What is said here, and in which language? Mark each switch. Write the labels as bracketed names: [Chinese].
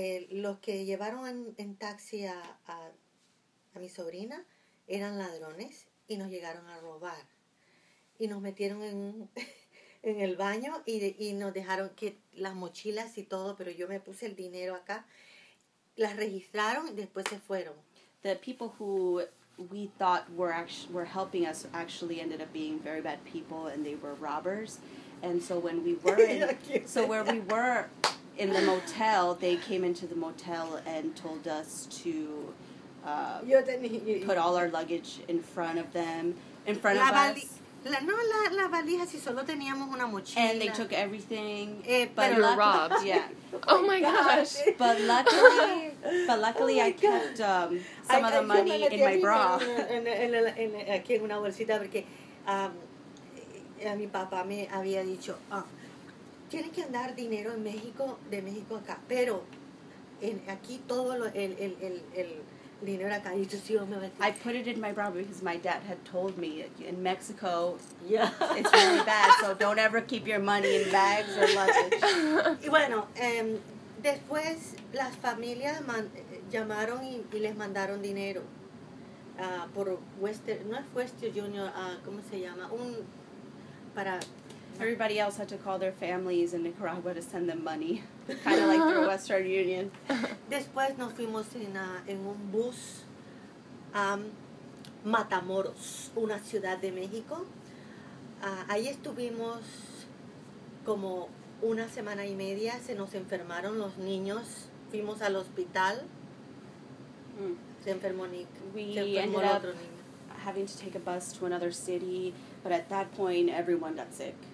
[Spanish] los que llevaron en taxi a mi sobrina eran ladrones y nos llegaron a robar. Y nos metieron en el baño y nos dejaron que las mochilas y todo, pero yo me puse el dinero acá. Las registraron y después se fueron. [English] The people who we thought were helping us actually ended up being very bad people and they were robbers. And so when we were in, so where we were... In the motel, they came into the motel and told us to put all our luggage in front of them, in front of us. [Spanish] La valija, si solo teníamos una mochila. [English] And they took everything. But you were robbed. Yeah. Oh, my gosh. But luckily, oh, I kept some of the money in my bra. [Spanish] Aquí en una bolsita, porque a mi papá me había dicho... Tienes que andar dinero en México, de México acá, pero en aquí todo lo, el dinero acá. Y tú sí, yo me metí. [English] I put it in my bra because my dad had told me in Mexico, yeah, it's really bad, so don't ever keep your money in bags or luggage. [Spanish] Y bueno, después las familias llamaron y les mandaron dinero por Western, no es Western Junior, ¿cómo se llama? Un para... [English] Everybody else had to call their families in Nicaragua to send them money, kind of like through Western Union. [Spanish] Después nos fuimos en un bus a Matamoros, una ciudad de México. Ahí estuvimos como una semana y media, se nos enfermaron los niños, fuimos al hospital. Se enfermó Nick, se enfermó otro niño. [English] Having to take a bus to another city, but at that point everyone got sick.